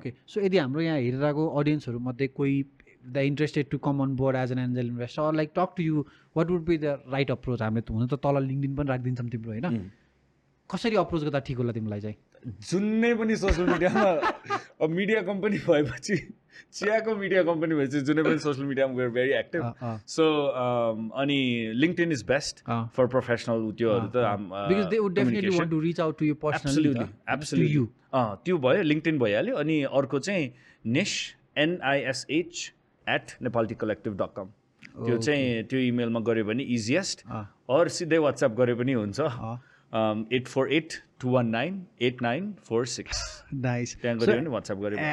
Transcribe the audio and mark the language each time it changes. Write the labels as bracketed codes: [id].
[ne] okay so यदि हाम्रो यहाँ हेरिरहेको अडियन्सहरूमध्ये कोही [en] the interested to come on board as an angel investor like talk to you what would be the right approach [ne] हामीले त हुन त तल लिङ्कडिन पनि राखिदिन्छौँ तिम्रो होइन कसरी अप्रोच गर्दा ठिक होला तिमीलाई चाहिँ जुनै पनि सोसियल मिडियामा अब मिडिया कम्पनी भएपछि चियाको मिडिया कम्पनी भएपछि जुनै पनि सोसियल मिडियामा [en] where very active [ne] सो अनि [en] LinkedIn is best for professional [ne] त्योहरू त [en] because they would definitely want to reach out to you personally [ne] absolutely त्यो भयो लिङ्कडिन भइहाल्यो अनि अर्को चाहिँ निश NISH @ नेपालटी कलेक्टिभ .com त्यो चाहिँ त्यो इमेलमा गऱ्यो भने इजिएस्ट अर सिधै वाट्सएप गरे पनि हुन्छ 8482198946